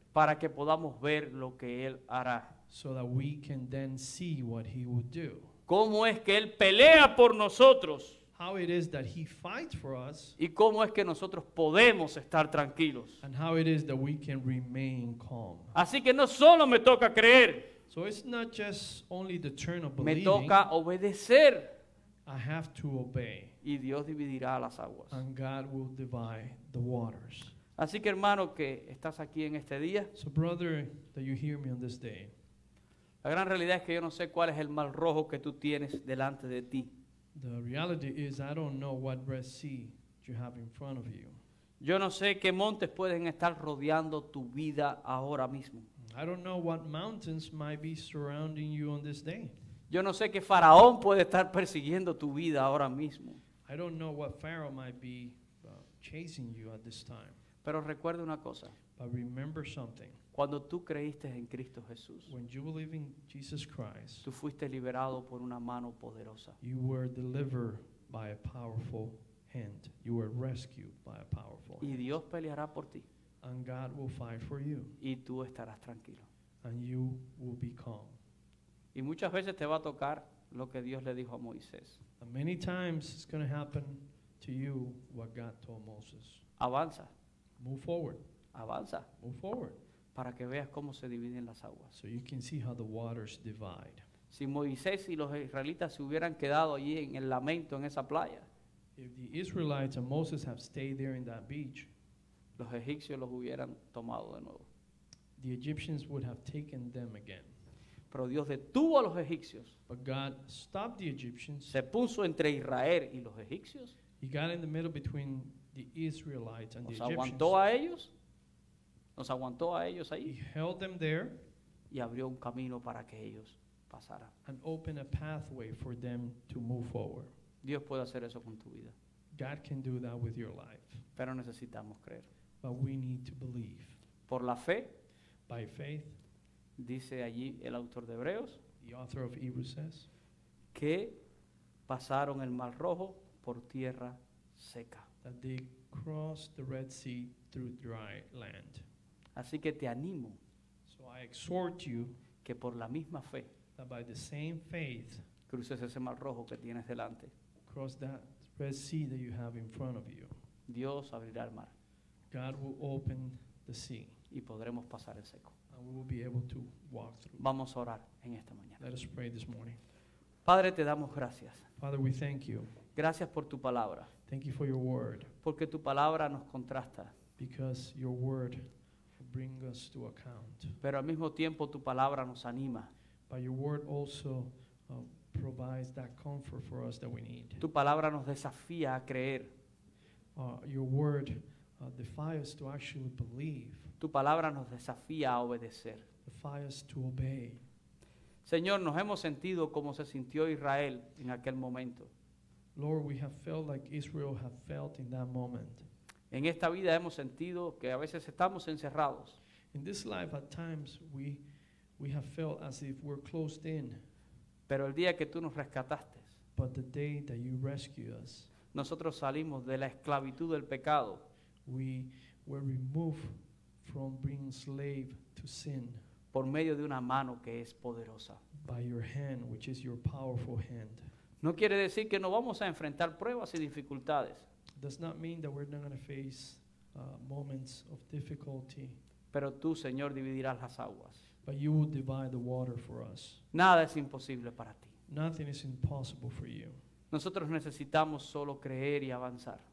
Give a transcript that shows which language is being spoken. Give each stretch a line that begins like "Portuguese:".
Spanish: Para que podamos ver lo que Él hará.
English: So that we can then see what He would do.
Spanish: ¿Cómo es que Él pelea por nosotros?
English: How it is that He fights for us.
Spanish: ¿Y cómo es que nosotros podemos estar tranquilos?
English: And how it is that we can remain calm.
Spanish: Así que no solo me toca creer.
English: So it's not just only the turn of believing.
Spanish: Me toca obedecer.
English: I have to obey.
Spanish: Y Dios dividirá las aguas.
English: And God will divide the waters.
Spanish: Así que hermano que estás aquí en este día.
English: So brother, that you hear me on this day.
Spanish: La gran realidad es que yo no sé cuál es el mar rojo que tú tienes delante de ti.
English: The reality is I don't know what Red Sea you have in front of you.
Spanish: Yo no sé qué montes pueden estar rodeando tu vida ahora mismo.
English: I don't know what mountains might be surrounding you on this day.
Spanish: Yo no sé qué faraón puede estar persiguiendo tu vida ahora mismo.
English: I don't know what pharaoh might be chasing you at this time.
Spanish: Pero recuerda una cosa.
English: But remember something.
Spanish: Cuando tú creíste en Cristo Jesús,
English: when you believe in Jesus Christ,
Spanish: tú fuiste liberado por una mano poderosa.
English: You were delivered by a powerful hand. You were rescued by a powerful hand.
Spanish: Y Dios peleará por ti.
English: And God will fight for you.
Spanish: Y tú estarás tranquilo.
English: And you will be calm.
Spanish: Y muchas veces te va a tocar lo que Dios le dijo a Moisés.
English: And many times it's going to happen to you what God told Moses.
Spanish: Avanza.
English: Move forward.
Spanish: Avanza.
English: Move forward.
Spanish: Para que veas cómo se dividen las aguas.
English: So you can see how the waters divide.
Spanish: Si Moisés y los israelitas se hubieran quedado allí en el lamento en esa playa,
English: if the Israelites and Moses have stayed there in that beach,
Spanish: los egipcios los hubieran tomado de nuevo.
English: The Egyptians would have taken them again.
Spanish: Pero Dios detuvo a los egipcios.
English: But God stopped the Egyptians.
Spanish: Se puso entre Israel y los egipcios.
English: He got in the middle between the Israelites and
Spanish: los
English: the Egyptians.
Spanish: Aguantó a ellos. Nos aguantó a ellos ahí.
English: He held them there.
Spanish: Y abrió un camino para que ellos pasaran.
English: And opened a pathway for them to move forward.
Spanish: Dios puede hacer eso con tu vida.
English: God can do that with your life.
Spanish: Pero necesitamos creer.
English: But we need to believe.
Spanish: Por la fe.
English: By faith.
Spanish: Dice allí el autor de Hebreos.
English: The author of Hebrews says.
Spanish: Que pasaron el Mar Rojo por tierra seca.
English: That they crossed the Red Sea through dry land.
Spanish: Así que te animo.
English: So I exhort you.
Spanish: Que por la misma fe.
English: That by the same faith.
Spanish: Cruces ese Mar Rojo que tienes delante.
English: Cross that Red Sea that you have in front of you.
Spanish: Dios abrirá el mar.
English: God will open the sea.
Spanish: Y podremos pasar el seco.
English: And we will be able to walk through.
Spanish: Vamos a orar en esta mañana.
English: Let us pray this morning.
Spanish: Padre, te damos gracias.
English: Father, we thank you.
Spanish: Gracias por tu palabra.
English: Thank you for your word.
Spanish: Porque tu palabra nos contrasta.
English: Because your word will bring us to account.
Spanish: Pero al mismo tiempo tu palabra nos anima.
English: But your word also provides that comfort for us that we need.
Spanish: Tu palabra nos desafía a creer.
English: Your word defies to actually believe.
Spanish: Tu palabra nos desafía a obedecer.
English: Defies to obey.
Spanish: Señor, nos hemos sentido como se sintió Israel en aquel momento.
English: Lord, we have felt like Israel have felt in that moment.
Spanish: En esta vida hemos sentido que a veces estamos encerrados.
English: In this life, at times we have felt as if we're closed in.
Spanish: Pero el día que tú nos rescataste,
English: but the day that you rescued us,
Spanish: nosotros salimos de la esclavitud del pecado.
English: We were removed from being slave to sin.
Spanish: Por medio de una mano que es poderosa.
English: By your hand, which is your powerful hand.
Spanish: No quiere decir que no vamos a enfrentar pruebas y dificultades.
English: Does not mean that we're not going to face moments of difficulty.
Spanish: Pero tú, Señor, dividirás las aguas.
English: But you will divide the water for us.
Spanish: Nada es imposible para ti.
English: Nothing is impossible for you.
Spanish: Nosotros necesitamos solo creer y avanzar.